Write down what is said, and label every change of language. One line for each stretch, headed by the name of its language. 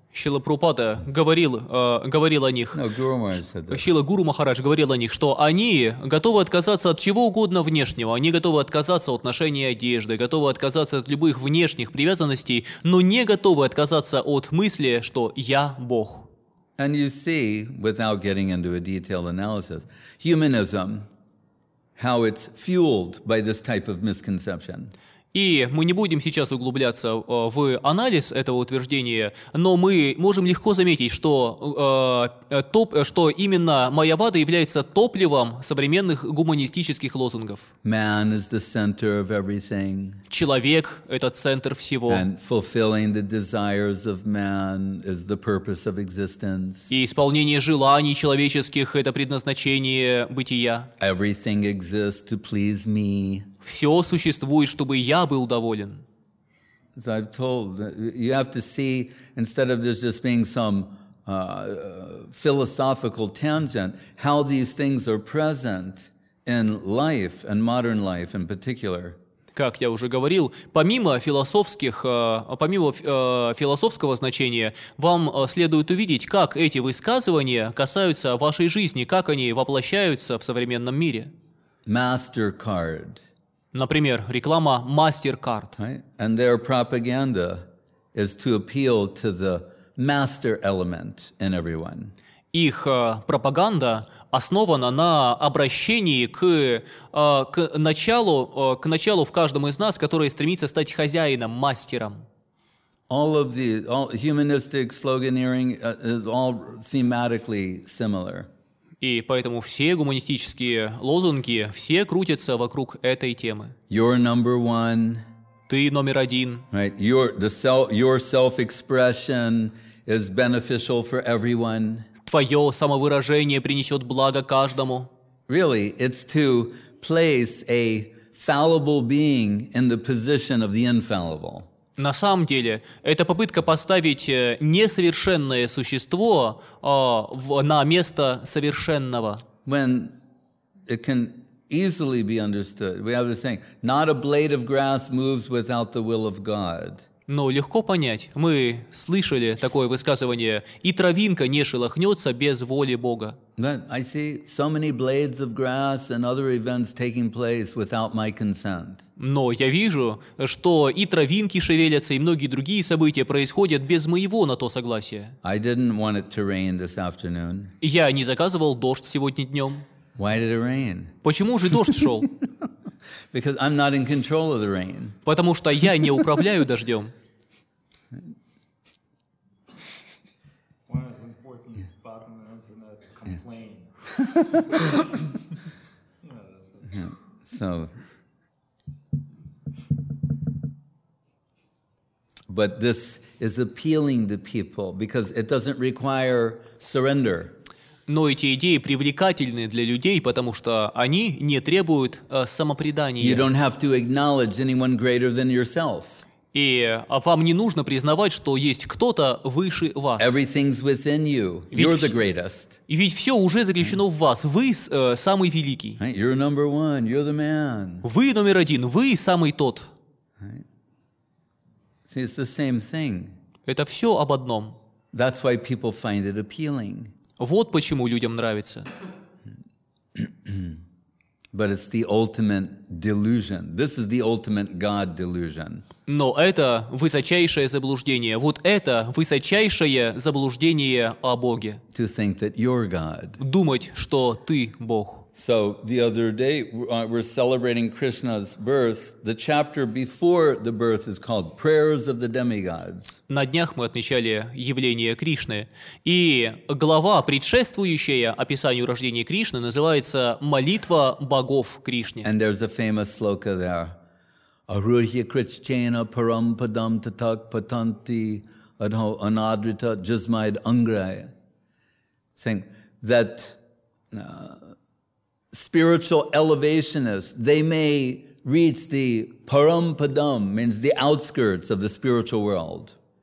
Russian: Шрила Прабхупада говорил о них. Шрила Гуру Махарадж говорил о них, что они готовы отказаться от чего угодно внешнего. Они готовы отказаться от ношения одежды, готовы отказаться от любых внешних привязанностей, но не готовы отказаться от мысли, что я Бог.
English: And you see, without getting into a detailed analysis, humanism, how it's fueled by this type of misconception.
Russian: И мы не будем сейчас углубляться в анализ этого утверждения, но мы можем легко заметить, что, что именно майявада является топливом современных гуманистических лозунгов.
English: Man is the center of everything.
Russian: Человек — это центр всего.
English: And fulfilling the desires of man is the purpose of existence.
Russian: И исполнение желаний человеческих — это предназначение бытия.
English: Everything exists to please me.
Russian: Все существует, чтобы я был доволен.
English: You have to see, instead of this just being some philosophical tangent, how these things are present in life, in modern life in particular.
Russian: Как я уже говорил, помимо философского значения, вам следует увидеть, как эти высказывания касаются вашей жизни, как они воплощаются в современном мире.
English: MasterCard.
Russian: Например, реклама MasterCard.
English: Right? And their propaganda is to appeal to the master element in everyone.
Russian: Их пропаганда основана на обращении к началу в каждом из нас, который стремится стать хозяином, мастером.
English: All of the humanistic sloganeering is all thematically similar.
Russian: И поэтому все гуманистические лозунги, все крутятся вокруг этой темы.
English: You're number one.
Russian: Ты номер один.
English: Right. Your self-expression is beneficial for everyone.
Russian: Твое самовыражение принесет благо каждому.
English: Really, it's to place a fallible being in the position of the infallible.
Russian: На самом деле, это попытка поставить несовершенное существо на место совершенного.
English: When it can easily be understood, we have the saying, not a blade of grass moves without the will of God.
Russian: Но легко понять. Мы слышали такое высказывание, и травинка не шелохнется без воли Бога.
English: But I see so many blades of grass and other events taking place without my consent.
Russian: Но я вижу, что и травинки шевелятся, и многие другие события происходят без моего на то согласия.
English: I didn't want it to rain this afternoon.
Russian: Я не заказывал дождь сегодня днем.
English: Why did it rain?
Russian: Почему же дождь шел?
English: Because I'm not in control of the rain.
Russian: Потому что я не управляю дождем.
English: One is important button on the internet, complain. So... But this is appealing to people because it doesn't require surrender.
Russian: Но эти идеи привлекательны для людей, потому что они не требуют самопредания.
English: You don't have to acknowledge anyone greater than yourself.
Russian: И вам не нужно признавать, что есть кто-то выше вас.
English: Everything's within you. You're the greatest.
Russian: Ведь все уже заключено в вас. Вы самый великий.
English: Right? You're number one. You're the man.
Russian: Вы номер один. Вы самый тот.
English: Right? See, it's the same thing.
Russian: Это все об одном.
English: That's why people find it appealing.
Russian: Вот почему людям нравится.
English: But it's the ultimate delusion. This is the ultimate God delusion.
Russian: Но это высочайшее заблуждение. Вот это высочайшее заблуждение о Боге.
English: To think that you're God.
Russian: Думать, что ты Бог.
English: So the other day we're celebrating Krishna's birth. The chapter before the birth is called Prayers of the Demigods.
Russian: На днях мы отмечали явление Кришны, и глава, предшествующая описанию рождения Кришны, называется Молитва богов Кришне.
English: And there's a famous sloka there.
Sanskrit: Aruhya krichena param padam tatak patanti adho anadrita jasmaid angray.
English: Saying that spiritual elevationists, they may reach the param padam, means the outskirts of the spiritual world.